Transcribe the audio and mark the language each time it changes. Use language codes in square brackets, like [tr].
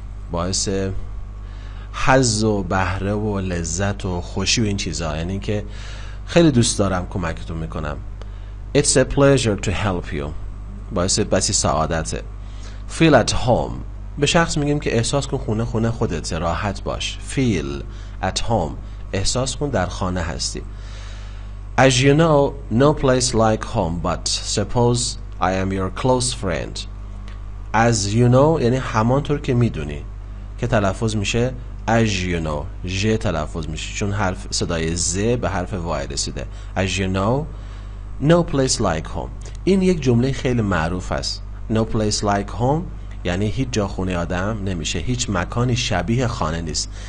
[fa] باعث حظ و بهره و لذت و خوشی و این چیزا، یعنی که خیلی دوست دارم کمکتون میکنم. [en] It's a pleasure to help you. [fa] باعث بسی سعادته. [en] Feel at home. [fa] به شخص میگیم که احساس کن خونه خونه خودت، راحت باش. [en] Feel at home. [fa] احساس کن در خانه هستی. [en] As you know, no place like home, but suppose I am your close friend. As you know [fa] یعنی همانطور که میدونی، که تلفظ میشه as you know، ژ تلفظ میشه چون حرف صدای ز به حرف وای رسیده. [en] As you know, no place like home. [fa] این یک جمله خیلی معروف است. [en] No place like home [fa] یعنی هیچ جا خونه آدم نمیشه، هیچ مکانی شبیه خانه نیست.